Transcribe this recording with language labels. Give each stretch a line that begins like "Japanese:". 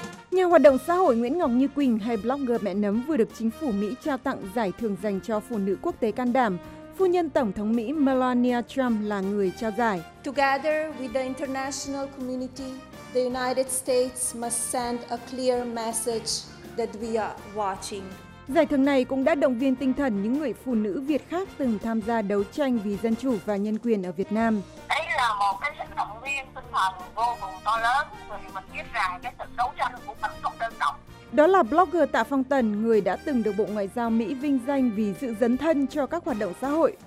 Vietnamese: Nhà hoạt động xã hội Nguyễn Ngọc Như Quỳnh hay blogger Mẹ Nấm vừa được chính phủ Mỹ trao tặng giải thưởng dành cho phụ nữ quốc tế can đảm. Phu nhân Tổng thống Mỹ Melania Trump là người trao giải.
English: Together with the international community, the United States must send a clear message that we are watching.
Vietnamese: Giải thưởng này cũng đã động viên tinh thần những người phụ nữ Việt khác từng tham gia đấu tranh vì dân chủ và nhân quyền ở Việt Nam. Đấy là một cái sức động viên tinh thần vô cùng to lớn, vì mình biết rằng cái sự đấu tranh của mình không đơn độc. Đó là blogger Tạ Phong Tần, người đã từng được Bộ Ngoại giao Mỹ vinh danh vì sự dấn thân cho các hoạt động xã hội.